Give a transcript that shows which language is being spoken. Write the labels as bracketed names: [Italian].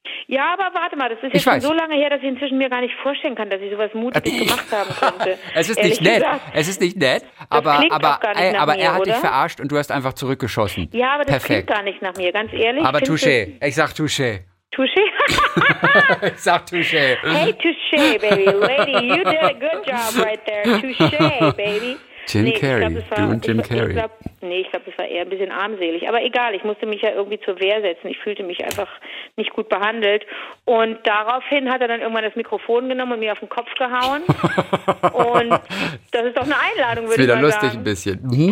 [German] Ja, aber warte mal, das ist jetzt schon so lange her, dass ich inzwischen mir gar nicht vorstellen kann, dass ich sowas mutig gemacht haben könnte. Es ist nicht nett, aber hat dich verarscht und du hast einfach zurückgeschossen. Ja, aber das klingt gar nicht nach mir, ganz ehrlich. Aber Touché, ich sag Touché. Touché? Ich sag Touché. [English] Hey, Touché, baby, lady, you did a good job right there, Touché, baby. [German] Ich glaube, es war eher ein bisschen armselig. Aber egal, ich musste mich ja irgendwie zur Wehr setzen. Ich fühlte mich einfach nicht gut behandelt. Und daraufhin hat er dann irgendwann das Mikrofon genommen und mir auf den Kopf gehauen. Und das ist doch eine Einladung, würde ich mal sagen. Ist wieder lustig ein bisschen.